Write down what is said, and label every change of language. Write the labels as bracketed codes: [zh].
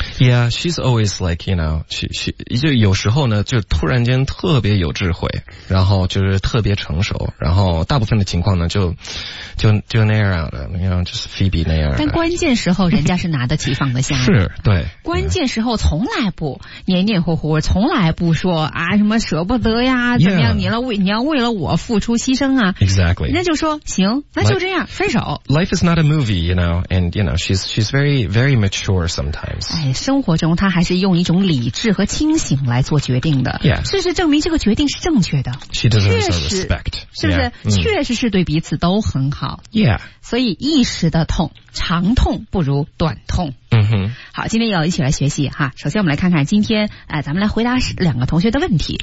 [en] Yeah, she's always like, you know, she [zh] 就有时候呢就突然间特别有智慧然后就是特别成熟然后大部分的情况呢就那样的 [en] you know, [zh] 就是菲比那样但关键时候人家是拿得起放得下是对关键时候从来不黏黏糊糊从来不说啊什么舍不得呀怎么样、 [en] yeah. [zh] 你要为了我付出牺牲啊 [en] exactly [zh] 人家就说行那就这样 分手 [en] life is not a movie you know and you know she's very very mature sometimes [zh] 哎，生活中她还是用一种理智和清醒来做决定的 [en] yeah [zh] 事实证明这个决定是正确的 [en] she deserves our respect [zh] 是不是、 [en] yeah. [zh] 确实是对彼此都很好 [en] yeah [zh] 所以一时的痛长痛不如短痛嗯、好今天要一起来学习哈首先我们来看看今天咱们来回答两个同学的问题